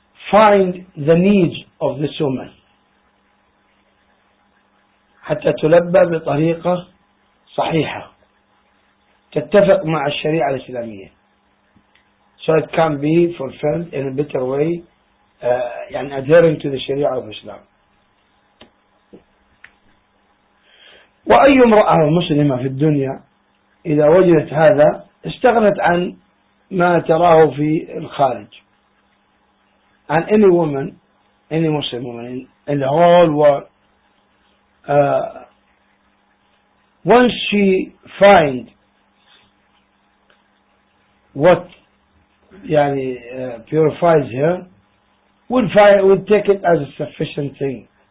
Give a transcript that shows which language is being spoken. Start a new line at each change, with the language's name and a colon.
English: find the needs of this woman
Arabic: حتى تلبى بطريقة صحيحة تتفق مع الشريعة الإسلامية,
English: so it can be fulfilled in a better way,
Arabic: يعني
English: adhering to the شريعة of Islam.
Arabic: وأي امرأة مسلمة في الدنيا إذا وجدت هذا استغنت عن ما تراه في الخارج.
English: And any woman, any Muslim woman in the whole world, once she find what
Arabic: يعني
English: purifies her, would take it as a sufficient thing.